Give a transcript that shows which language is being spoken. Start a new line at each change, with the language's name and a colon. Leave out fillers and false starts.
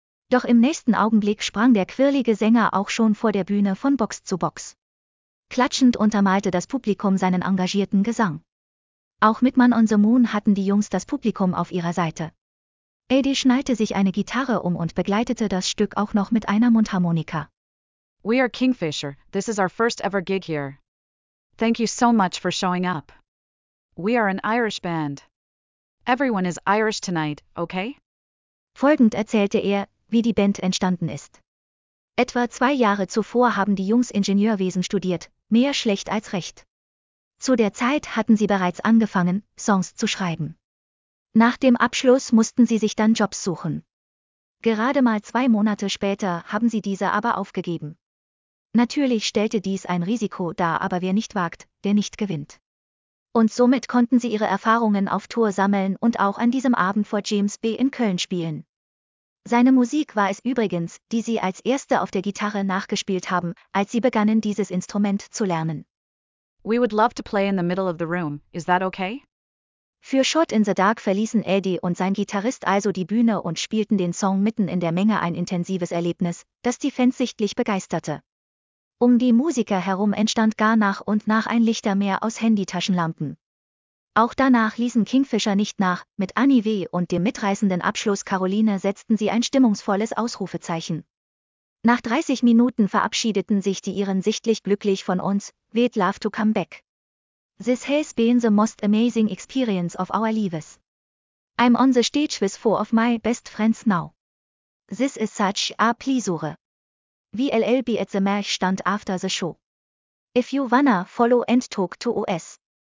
German: Doch im nächsten Augenblick sprang der quirlige Sänger auch schon vor der Bühne von Box zu Box. Klatschend untermalte das Publikum seinen engagierten Gesang. Auch mit Man on the Moon hatten die Jungs das Publikum auf ihrer Seite. Eddie schnallte sich eine Gitarre um und begleitete das Stück auch noch mit einer Mundharmonika.
English: We are Kingfisher, this is our first ever gig here. Thank you so much for showing up. We are an Irish band. Everyone is Irish tonight, okay?
German: Folgend erzählte er, wie die Band entstanden ist. Etwa 2 Jahre zuvor haben die Jungs Ingenieurwesen studiert, mehr schlecht als recht. Zu der Zeit hatten sie bereits angefangen, Songs zu schreiben. Nach dem Abschluss mussten sie sich dann Jobs suchen. Gerade mal 2 Monate später haben sie diese aber aufgegeben. Natürlich stellte dies ein Risiko dar, aber wer nicht wagt, der nicht gewinnt. Und somit konnten sie ihre Erfahrungen auf Tour sammeln und auch an diesem Abend vor James B. in Köln spielen. Seine Musik war es übrigens, die sie als erste auf der Gitarre nachgespielt haben, als sie begannen, dieses Instrument zu lernen.
English: We would love to play in the middle of the room, is that okay?
German: Für Shot in the Dark verließen Eddie und sein Gitarrist also die Bühne und spielten den Song mitten in der Menge, ein intensives Erlebnis, das die Fans sichtlich begeisterte. Um die Musiker herum entstand gar nach und nach ein Lichtermeer aus Handytaschenlampen. Auch danach ließen Kingfisher nicht nach, mit Annie W. und dem mitreißenden Abschluss Caroline setzten sie ein stimmungsvolles Ausrufezeichen. Nach 30 Minuten verabschiedeten sich die Iren sichtlich glücklich von uns,
English: we'd love to come back. This has been the most amazing experience of our lives. I'm on the stage with 4 of my best friends now. This is such a pleasure. We'll be at the match stand after the show. If you wanna follow and talk to us.